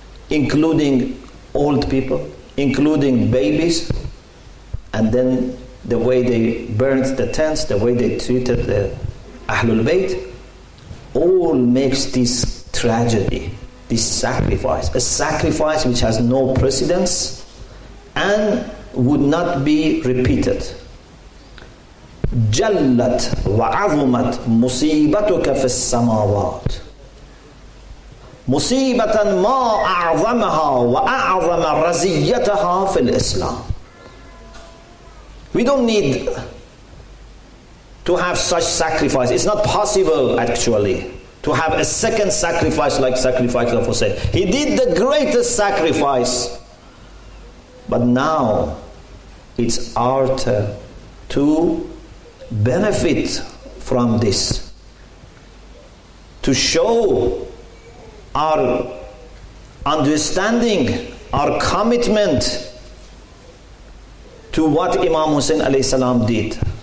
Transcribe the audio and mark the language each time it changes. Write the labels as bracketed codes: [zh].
[en] including old people, including babies, and then the way they burnt the tents, the way they treated the Ahlul Bayt, all makes this tragedy, this sacrifice, a sacrifice which has no precedence and would not be repeated. [ar] جلت وعظمت مصيبتك في السماوات. مصيبة ما أعظمها وأعظم رزيتها في الإسلام. [en] We don't need to have such sacrifice. It's not possible actually to have a second sacrifice like sacrifice of Hosea. He did the greatest sacrifice. But now it's our turn to benefit from this, to show our understanding, our commitment to what Imam Hussein alayhi salam did.